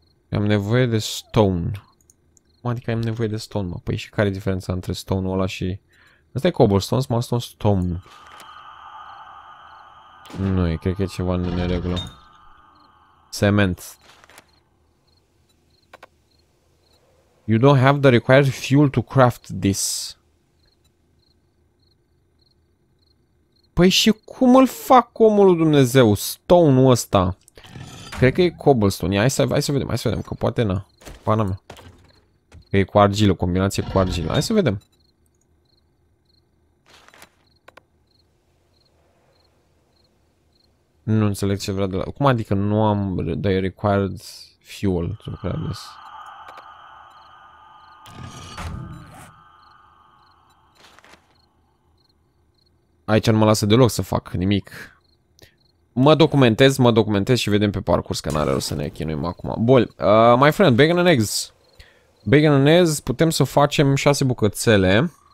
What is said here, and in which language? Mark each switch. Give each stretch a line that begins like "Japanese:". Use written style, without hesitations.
Romanian: Am nevoie de stone. Cum adică am nevoie de stone, mă? Păi și care e diferența între stone-ul ăla și... Asta e cobblestone, small stone, stone. Nu, cred că e ceva în neregulă. Cement.
English: You don't have the required fuel to craft this.
Romanian: Păi și cum îl fac omul lui Dumnezeu? Stone-ul ăsta. Cred că e cobblestone. Hai să vedem că poate na. Pana mea. Că e cu argilă, combinație cu argilă. Hai să vedem. Nu înțeleg ce vrea de la... Cum adică nu am
English: the required fuel to craft this?
Romanian: Aici nu mă lasă deloc să fac nimic. Mă documentez și vedem pe parcurs că n-are rost să ne chinuim acum. Bun,
English: my friend, bacon and eggs. Bacon and eggs,
Romanian: putem să facem 6 bucățele.